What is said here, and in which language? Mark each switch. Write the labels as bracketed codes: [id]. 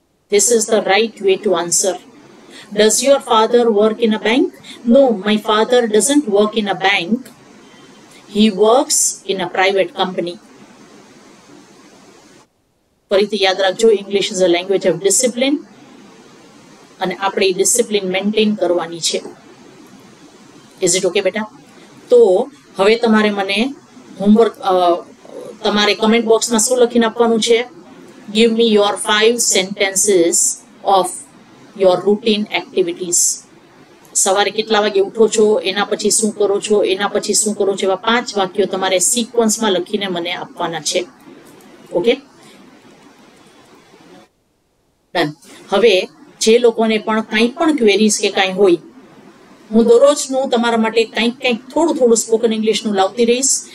[en] This is the right way to answer. Does your father work in a bank? No, my father doesn't work in a bank. He works in a private company. [gu] ફરીથી યાદ રાખજો, [en] English is a language of discipline. [gu] અને આપણે [en] discipline maintain [gu] કરવાની છે. [en] Is it okay, બેટા? [gu] તો હવે તમારે મને homework, તમારે comment boxમાં શું લખીને આપવાનું છે? [en] Give me your 5 sentences of your routine activities. [gu] સવારે કેટલા વાગે ઉઠો છો, એના પછી શું કરો છો, એના પછી શું કરો છો, એવા 5 વાક્યો તમારે સિક્વન્સમાં લખીને મને આપવાના છે. [en] Okay, done. [gu] હવે જે લોકોને પણ કંઈ પણ ક્વેરીઝ કે કાંઈ હોય, હું દરરોજનું તમારા માટે કંઈક થોડું સ્પોકન ઇંગ્લિશનું લાવતી રહીશ.